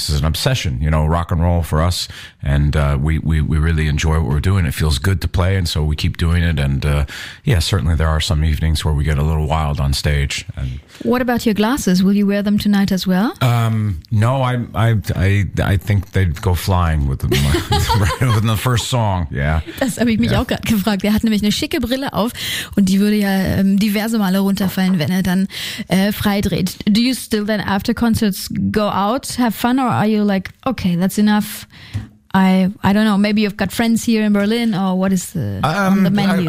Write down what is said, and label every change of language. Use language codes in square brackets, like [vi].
[en] This is an obsession, you know, rock and roll for us. And we really enjoy what we're doing. It feels good to play. And so we keep doing it. And certainly there are some evenings where we get a little wild on stage. And what about your glasses? Will you wear them tonight as well? No, I think they'd go flying with them within the first song. Yeah. [de] Das habe ich mich auch gerade gefragt. Er hat nämlich eine schicke Brille auf und die würde ja diverse Male runterfallen, wenn er dann freidreht. [en] Do you still then after concerts go out, have fun, or are you like, okay, that's enough? I don't know, maybe you've got friends here in Berlin, or what is on the menu?